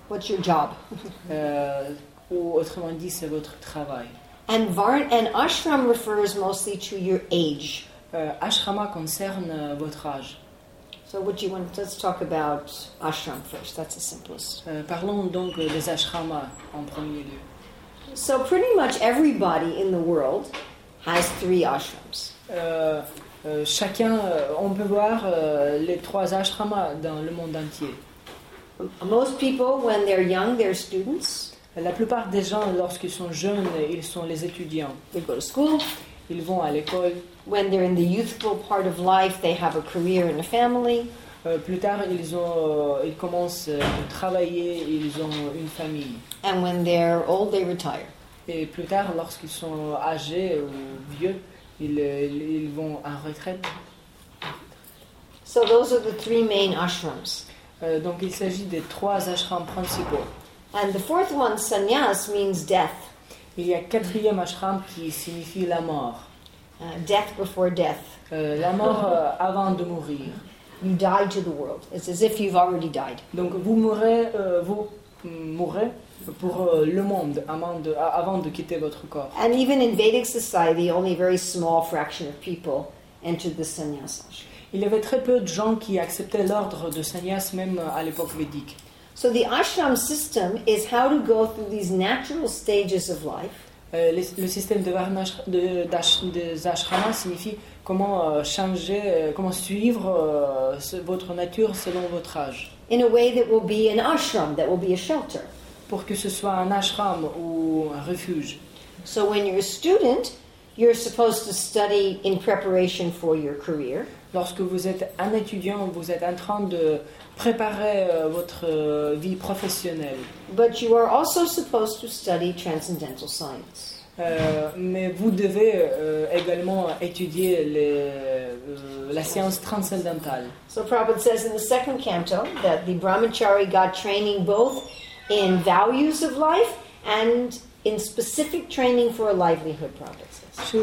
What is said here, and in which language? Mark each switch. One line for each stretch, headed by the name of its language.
English: What's your job?
French: ou autrement dit, c'est votre travail.
English: And varna and ashram refers mostly to your age.
French: Ashrama concerne votre âge.
English: So what do you want? Let's talk about ashram first. That's the simplest.
French: Parlons donc des ashramas en premier lieu.
English: So pretty much everybody in the world has three ashrams.
French: Chacun, on peut voir les trois ashramas dans le monde entier.
English: Most people, when they're young, they're students.
French: La plupart des gens, lorsqu'ils sont jeunes, ils sont les étudiants.
English: They go to school.
French: Ils vont à l'école.
English: When they're in the youthful part of life, they have a career and a family.
French: Plus tard, ils commencent à travailler, ils ont une famille.
English: And when they're old, they retire.
French: Et plus tard, lorsqu'ils sont âgés ou vieux, ils vont en retraite.
English: So those are the three main ashrams.
French: Donc il s'agit des trois ashrams principaux.
English: And the fourth one, sannyas, means death.
French: Il y a quatrième ashram qui signifie la mort.
English: Death before death.
French: La mort avant de mourir.
English: You die to the world. It's as if you've already died.
French: Donc vous mourrez pour le monde avant de quitter votre corps.
English: And even in Vedic society, only a very small fraction of people entered the sannyas ashram.
French: Il y avait très peu de gens qui acceptaient l'ordre de sannyas même à l'époque védique.
English: So the ashram system is how to go through these natural stages of life.
French: Le système de varna des ashramas signifie comment changer, comment suivre votre nature selon votre âge.
English: In a way that will be an ashram, that will be a shelter.
French: Pour que ce soit un ashram ou un refuge.
English: So when you're a student, you're supposed to study in preparation for your career.
French: Lorsque vous êtes un étudiant, vous êtes en train de préparer votre vie professionnelle.
English: But you are also supposed to study transcendental science.
French: Mais vous devez également étudier la science transcendantale.
English: So Prabhupada says in the second canto that the brahmachari got training both in values of life and in specific training for a livelihood, Prabhupada says.